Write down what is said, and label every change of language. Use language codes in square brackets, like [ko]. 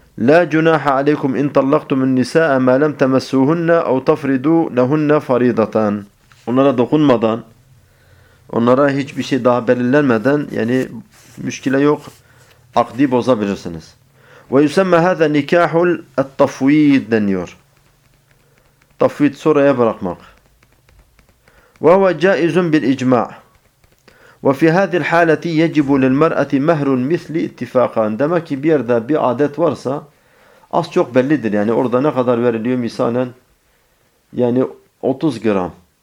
[ar] لا جناح عليكم إن طلقتم النساء ما لم تمسوهن أو تفردوا لهن فريضة. [tr] Onlara dokunmadan, onlara hiçbir şey daha belirlenmeden yani müşkile yok, akdi bozabilirsiniz. [ar] وَيُسَمَّ هَذَا نِكَاحُ التَّفْوِيدِ [tr] deniyor. Tafvid sonraya bırakmak. [ar] وَهُوَ جَائِزٌ بِالْإِجْمَعِ وَفِي هَذِي الْحَالَةِ يَجِبُ لِلْمَرْأَةِ مَهْرٌ مِثْلِ اِتِّفَاقًا. [tr] Demek ki bir yerde bir adet varsa az çok bellidir. Yani orada ne kadar veriliyor misalen? Yani 30 gram.